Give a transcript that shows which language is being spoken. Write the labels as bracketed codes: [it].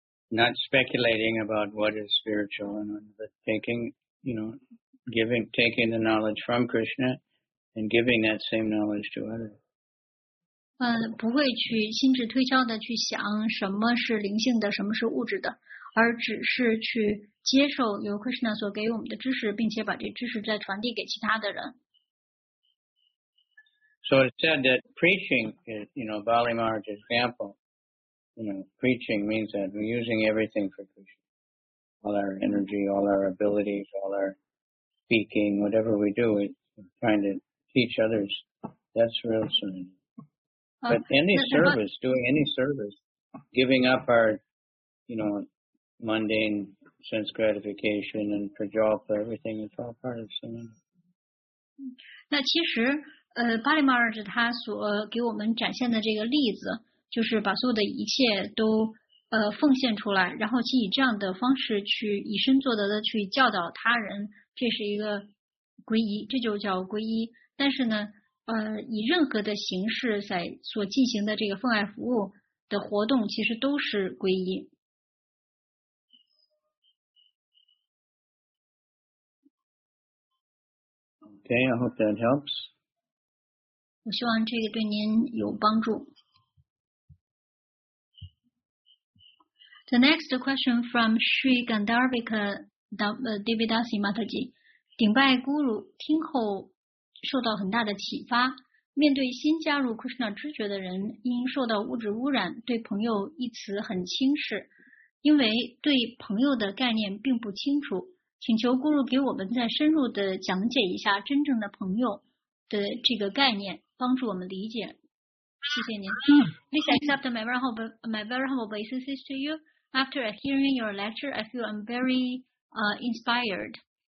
[en] Not speculating about what is spiritual, but taking, you know, giving, taking the knowledge from Krishna and giving that same knowledge to others. [zh] 不会去心智推敲的去想什么是灵性的，什么是物质的，而只是去接受由 Krishna 所给我们的知识，并且把这知识再传递给其他的人。 [en] So it said that preaching is, you know, Bali Maharaj's example, you know, preaching means that we're using everything for Krishna. All our energy, all our abilities, all our speaking, whatever we do, we're trying to teach others. That's real surrender. But any service, doing any service, giving up our, you know, mundane sense gratification and prajalpa, everything, it's all part of surrender. [zh] 那其实巴利马尔是他所给我们展现的这个例子，就是把所有的一切都奉献出来，然后去以这样的方式去以身作则的去教导他人，这是一个皈依，这就叫皈依。但是呢以任何的形式在所进行的这个奉爱服务的活动其实都是皈依。 [en] Okay, I hope that helps. [zh] 我希望这个对您有帮助。 [en] The next question from Sri Gandharvika Devadasi Mataji. [zh] 顶拜 Guru 听后受到很大的启发，面对新加入 Krishna 知觉的人，因受到物质污染，对朋友一词很轻视，因为对朋友的概念并不清楚。请求 Guru 给我们再深入的讲解一下真正的朋友的这个概念，帮助我们理解。谢谢您。 [en] Please accept my very humble obeisances to you. After hearing your lecture, I feel I'm very inspired.